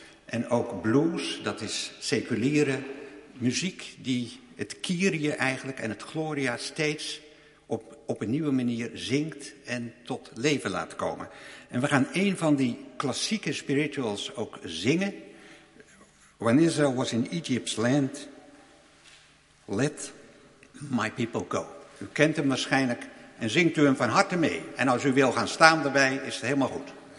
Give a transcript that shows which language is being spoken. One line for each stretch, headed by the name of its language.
Dutch: En ook blues, dat is seculiere muziek die het Kyrie eigenlijk en het Gloria steeds op een nieuwe manier zingt en tot leven laat komen. En we gaan een van die klassieke spirituals ook zingen.
English: When Israel was in Egypt's land, let my people go.
Dutch: U kent hem waarschijnlijk en zingt u hem van harte mee. En als u wil gaan staan erbij, is het helemaal goed.